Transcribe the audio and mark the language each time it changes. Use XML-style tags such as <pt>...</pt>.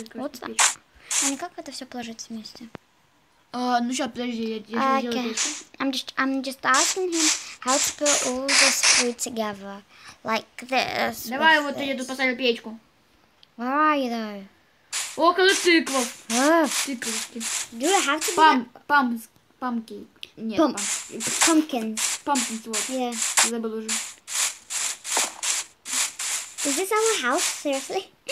<ru>вот печка. А как это все положить вместе? Ну сейчас, подожди, я сделаю печку.</ru> <en>I'm just asking him how to put all this food together. Like this.</en> <ru>Давай вот я тут поставлю печку.</ru> <en>Where are you though?</en> <ru>Около тыквов. Тыквы.</ru> <en>Do you have to be Pumpkin.</en> <ru>Нет,</ru> <en>Pumpkin. Pumpkin,</en> <ru>вот.</ru> <en>Yeah.</en> <ru>Забыл уже.</ru> <en>Is this our house? Seriously?</en>